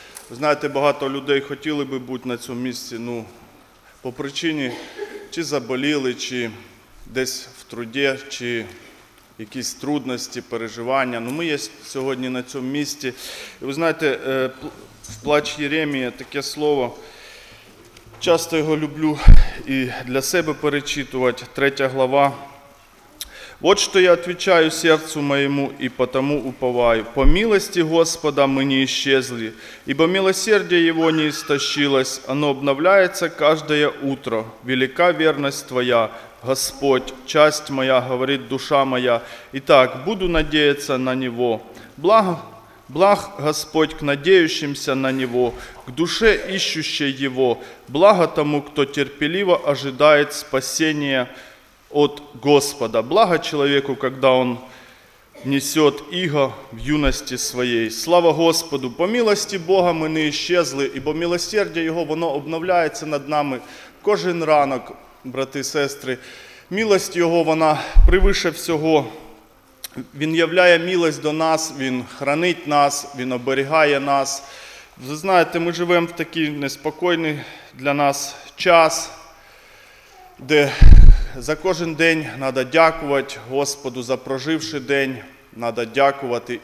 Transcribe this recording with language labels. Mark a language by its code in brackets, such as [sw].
[uk] Ви знаєте, багато людей хотіли би бути на цьому місці, ну, по причині, чи заболіли, чи десь в труді, чи якісь трудності, переживання. Ну, ми є сьогодні на цьому місці. І ви знаєте, в плач Єремія таке слово, часто його люблю і для себе перечитувати, 3 глава. [ru] «Вот что я отвечаю сердцу моему, и потому уповаю. По милости Господа мы не исчезли, ибо милосердие Его не истощилось, оно обновляется каждое утро. Велика верность Твоя, Господь, часть моя, говорит душа моя. Итак, буду надеяться на Него. Благ Господь к надеющимся на Него, к душе ищущей Его. Благо тому, кто терпеливо ожидает спасения от Господа. Благо человеку, когда он несет иго в юности своей. Слава Господу! По милости Бога мы не исчезли, ибо милосердие Его, [uk] воно обновляется над нами кожен ранок, брати і сестри. Милость Його, вона превыше всього. Він являє милость до нас, Він хранить нас, Він оберігає нас. Ви знаєте, ми живемо в такий неспокійний для нас час, де за кожен день треба дякувати Господу, за проживший день треба дякувати.